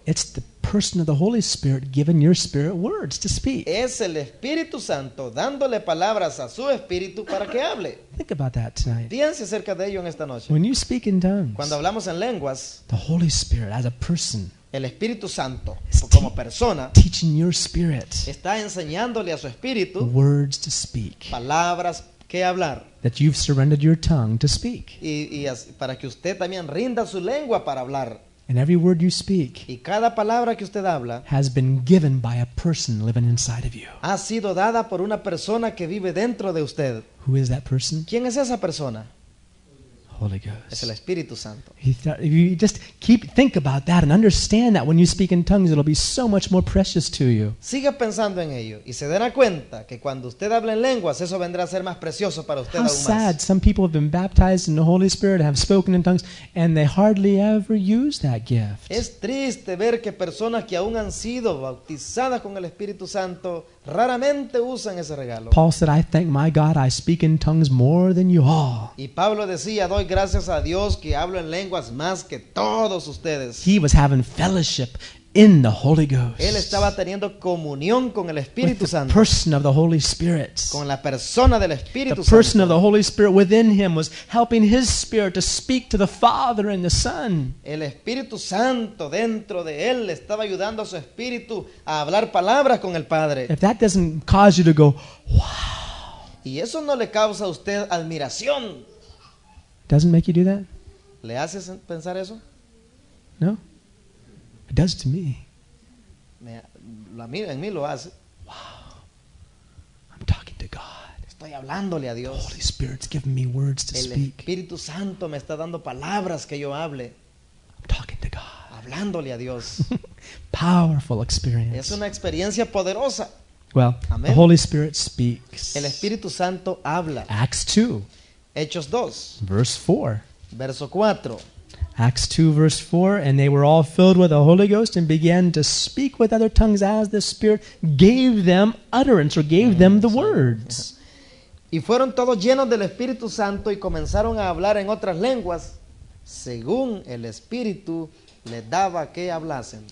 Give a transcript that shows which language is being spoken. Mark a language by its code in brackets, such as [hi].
[en] It's the person of the Holy Spirit giving your spirit words to speak. [es] Es el Espíritu Santo dándole palabras a su espíritu para que hable. [en] Think about that tonight. [es] Piense acerca de ello en esta noche. [en] When you speak in tongues. [es] Cuando hablamos en lenguas. [en] The Holy Spirit as a person. [es] El Espíritu Santo como persona [en] teaching your spirit [es] está enseñándole a su espíritu [en] words to speak, [es] palabras que hablar, [en] that you've surrendered your tongue to speak, [es] y para que usted también rinda su lengua para hablar. [en] And every word you speak, [es] y cada palabra que usted habla, [en] has been given by a person living inside of you, [es] ha sido dada por una persona que vive dentro de usted. [en] Who is that person? [es] ¿Quién es esa persona? [en] Holy Ghost. [es] Es el Espíritu Santo. [en] You just keep think about that and understand that when you speak in tongues, it'll be so much more precious to you. [es] Siga pensando en ello y se dará cuenta que cuando usted habla en lenguas, eso vendrá a ser más precioso para usted. [en] How sad! Some people have been baptized in the Holy Spirit, have spoken in tongues, and they hardly ever use that gift. [es] Es triste ver que personas que aún han sido bautizadas con el Espíritu Santo raramente usan ese regalo. [en] Paul said, "I thank my God I speak in tongues more than you all." [es] Y Pablo decía, doy gracias a Dios que hablo en lenguas más que todos ustedes. [en] He was having fellowship in the Holy Ghost. [es] Él estaba teniendo comunión con el Espíritu Santo. [en] The person of the Holy Spirit. [es] Con la persona del Espíritu Santo. [en] The person of the Holy Spirit within him was helping his spirit to speak to the Father and the Son. [es] El Espíritu Santo dentro de él estaba ayudando a su espíritu a hablar palabras con el Padre. [en] If that doesn't cause you to go, wow. [es] Y eso no le causa a usted admiración. [en] Doesn't make you do that? [es] ¿Le hace pensar eso? [en] No. It does to me. [es] En mí lo hace. [en] Wow. I'm talking to God. [es] Estoy hablándole a Dios. [en] The Holy Spirit's giving me words to speak. [es] El Espíritu Santo me está dando palabras que yo hable. [en] I'm talking to God. [es] Hablándole a Dios. [en] Powerful experience. [es] Es una experiencia poderosa. [en] Well, amén. The Holy Spirit speaks. [es] El Espíritu Santo habla. [en] Acts 2. [es] Hechos 2. [en] Verse 4. [es] Verso 4. [en] Acts 2, verse 4, and they were all filled with the Holy Ghost and began to speak with other tongues as the Spirit gave them utterance or gave them the words. [es] Y fueron todos llenos del Espíritu Santo y comenzaron a hablar en otras lenguas según el Espíritu les daba que hablasen.